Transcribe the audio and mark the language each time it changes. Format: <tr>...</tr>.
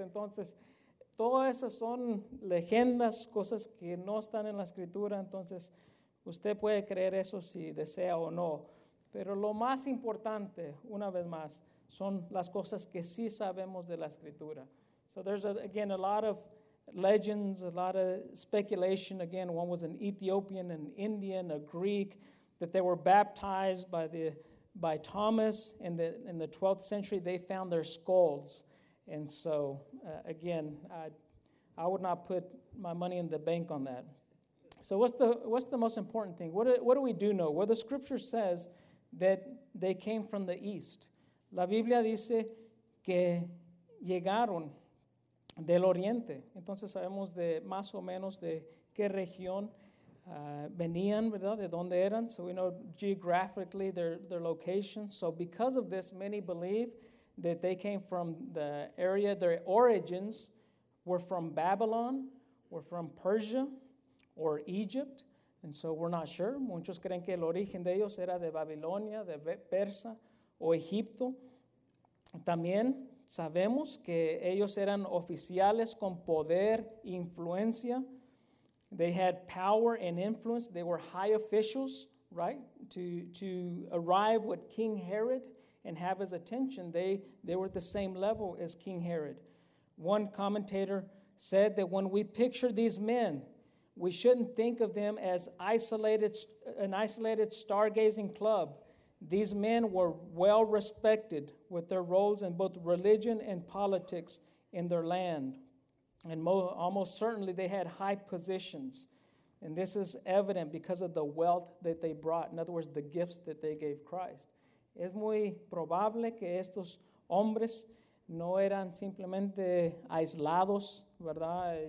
<es>Entonces, todas esas son leyendas, cosas que no están en la escritura. Entonces, usted puede creer eso si desea o no. Pero lo más importante, una vez más, son las cosas que sí sabemos de la escritura.</es> <en>So there's again a lot of legends, a lot of speculation. Again, one was an Ethiopian, an Indian, a Greek, that they were baptized by Thomas in the 12th century. They found their skulls. And so, again, I would not put my money in the bank on that. So what's the most important thing? What do we do know? Well, the scripture says that they came from the east.</en> <es>La Biblia dice que llegaron del oriente. Entonces sabemos de más o menos de qué región venían, ¿verdad? De dónde eran.</es> <en>So we know geographically their location. So because of this, many believe that they came from the area, their origins were from Babylon, were from Persia, or Egypt, and so we're not sure.</en> <es>Muchos creen que el origen de ellos era de Babilonia, de Persa, o Egipto. También sabemos que ellos eran oficiales con poder, influencia.</es> <en>They had power and influence. They were high officials, right? To arrive with King Herod and have his attention, they were at the same level as King Herod. One commentator said that when we picture these men, we shouldn't think of them as an isolated stargazing club. These men were well respected with their roles in both religion and politics in their land. And almost certainly they had high positions. And this is evident because of the wealth that they brought. In other words, the gifts that they gave Christ.</en> <es>Es muy probable que estos hombres no eran simplemente aislados, ¿verdad?</es>